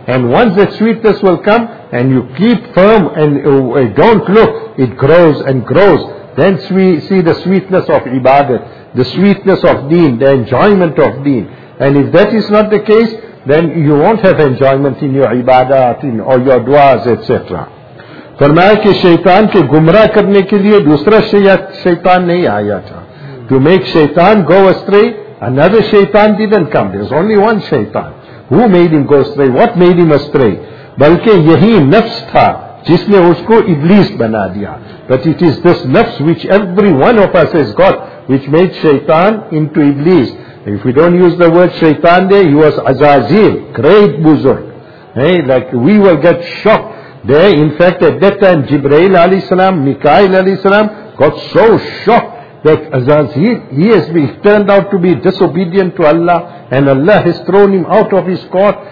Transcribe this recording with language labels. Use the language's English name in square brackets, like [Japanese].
[English] And once that sweetness will come and you keep firm and don't look, it grows and grows. Then we see the sweetness of ibadat, the sweetness of deen, the enjoyment of deen. And if that is not the case, then you won't have enjoyment in your ibadat, in or your duas, etc. [Urdu] فرمایا کہ شیطان کے گمراہ کرنے کے لیے دوسرا شیطان نہیں آیا تھا. [English] To make شیطان go astray, another شیطان didn't come. There's only one شیطان. Who made him go astray? What made him astray? [Urdu] بلکہ یہی نفس تھا جس نے اس کو ابلیس بنا دیا. [English] But it is this nafs which every one of us has got, which made shaitan into iblis. If we don't use the word shaitan there, he was Azazil, great buzurg. Hey, like we will get shocked there. In fact, at that time, Jibreel alayhi salam, Mikael alayhi salam got so shocked that Azazil, he turned out to be disobedient to Allah, and Allah has thrown him out of his court.